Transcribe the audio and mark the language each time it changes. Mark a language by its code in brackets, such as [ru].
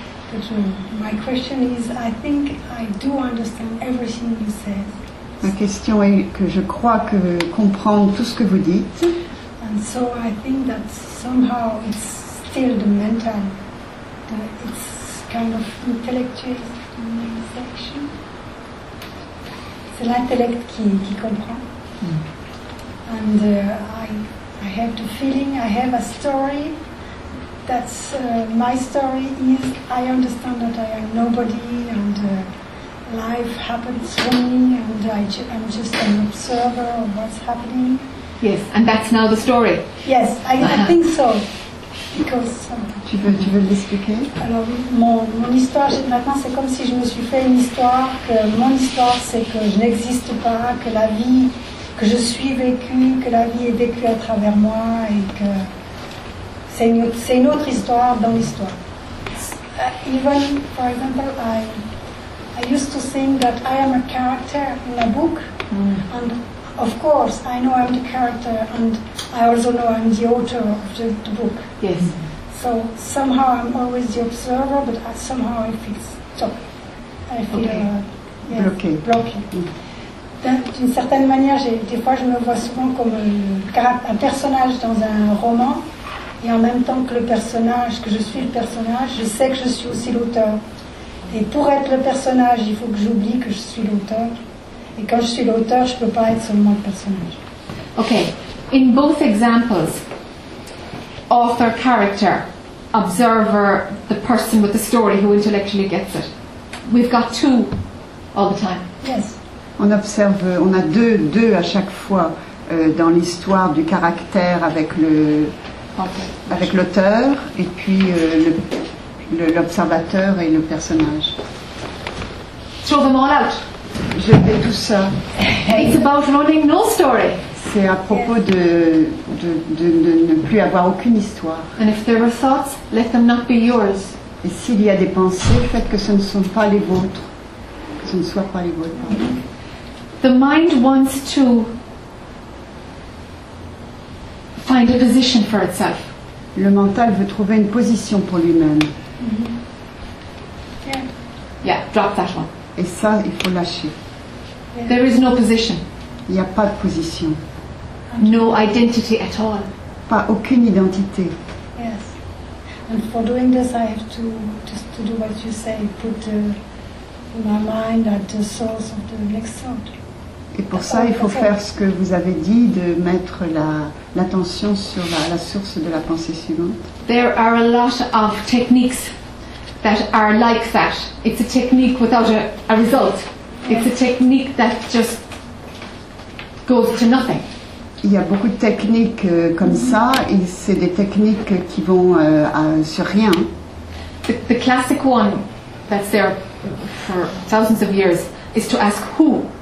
[en] But my question is, I think I do understand everything you said. [fr] Ma question est que je crois que comprendre tout ce que vous dites. [en] And so I think that somehow it's still the mental, it's kind of intellectualization. [fr] C'est l'intellect qui comprend. [en] And I have the feeling I have a story. That's my story is I understand that I am nobody and life happens for me and I'm just an observer of what's happening. Yes, and that's now the story. Yes, I think so. Because [fr] tu veux l'expliquer? Alors mon histoire maintenant c'est comme si je me suis fait une histoire que mon histoire c'est que je n'existe pas, que la vie que je suis vécue, que la vie est vécue à travers moi et que c'est une autre histoire dans l'histoire. [en] Even for example, I used to think that I am a character in a book, and of course I know I'm the character, and I also know I'm the author of the book. Yes. So somehow I'm always the observer, but somehow I feel stuck. I feel [fr] bloqué. D'une certaine manière, des fois, je me vois souvent comme un personnage dans un roman. Et en même temps que le personnage, que je suis le personnage, je sais que je suis aussi l'auteur. Et pour être le personnage, il faut que j'oublie que je suis l'auteur. Et quand je suis l'auteur, je ne peux pas être seulement le personnage. Ok. [en] In both examples, author, character, observer, the person with the story who intellectually gets it. We've got two all the time. Yes. [fr] On observe, on a deux à chaque fois dans l'histoire du caractère avec le... [en] Okay. [fr] Avec l'auteur et puis l'observateur et le personnage. [en] Throw them all out. [fr] Je fais tout ça. [en] It's about running no story. [fr] C'est à propos de ne plus avoir aucune histoire. [en] And if there are thoughts, let them not be yours. [fr] Et s'il y a des pensées, faites que ce ne sont pas les vôtres. Que ce ne soit pas les vôtres. [en] The mind wants to find a position for itself. [fr] Le mental veut trouver une position pour lui-même. Mm-hmm. [en] Yeah, drop that one. [fr] Et ça, il faut lâcher. [en] Yeah. There is no position. [fr] Il n'y a pas de position. [en] No identity at all. [fr] Pas aucune identité. [en] Yes. And for doing this, I have to just to do what you say, put my mind at the source of the next thought. [fr] Et pour ça, il faut faire ce que vous avez dit, de mettre l'attention sur la source de la pensée suivante. [en] There are a lot of techniques that are like that. It's a technique without a result. It's a technique that just goes to nothing. [fr] Il y a beaucoup de techniques comme ça, et c'est des techniques qui vont sur rien. [en] The classic one that's there for thousands of years is to ask who.